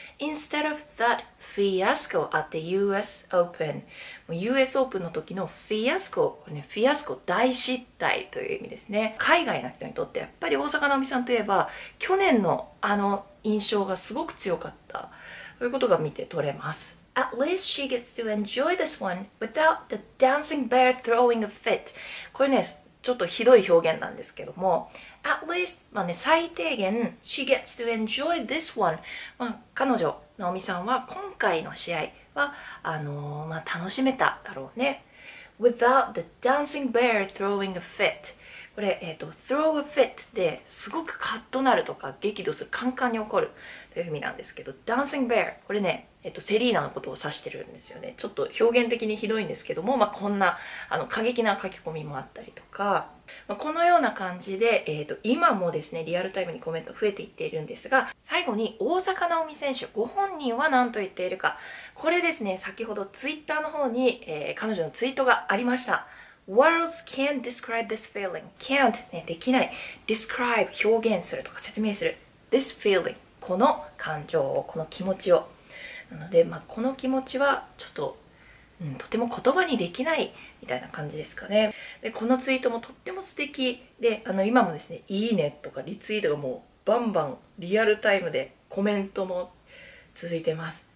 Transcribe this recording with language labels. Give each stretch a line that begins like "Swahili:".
English: Instead of that fiasco at the US Open。
Japanese: US Open の時のフィアスコ、これね、フィアスコ、大失態という意味ですね。海外の人にとってやっぱり大坂なおみさんといえば去年の印象がすごく強かった、そういうことが見て取れます。
English: At least she gets to enjoy this one without the dancing bear throwing a fit。
Japanese: これね、ちょっとひどい表現なんですけども、 At least、まあね、最低限、 she gets to enjoy this one。まあ、彼女、ナオミさんは今回の試合は楽しめただろうね。
English: Without the dancing bear throwing a fit。
Japanese: これ、 throw a fit で、すごくカッとなるとか、激怒する、カンカンに怒るという意味なんですけど、 dancing bear、これね、セリーナのことを指してるんですよね。ちょっと表現的にひどいんですけども、まあ、こんな過激な書き込みもあったりとか、まあ、このような感じで、今もですね、リアルタイムにコメント増えていっているんですが、最後に大坂なおみ選手、ご本人は何と言っているか。これですね、先ほどツイッターの方に、彼女のツイートがありました。
English: Words can't describe this feeling.
Japanese: Can't、ね、できない。 Describe、表現するとか説明する。 This feeling、この感情を、この気持ちを。なので、まあ、この気持ちはちょっと、とても言葉にできないみたいな感じですかね。でこのツイートもとっても素敵で、今もですね、いいねとかリツイートがもうバンバンリアルタイムでコメントも続いてます。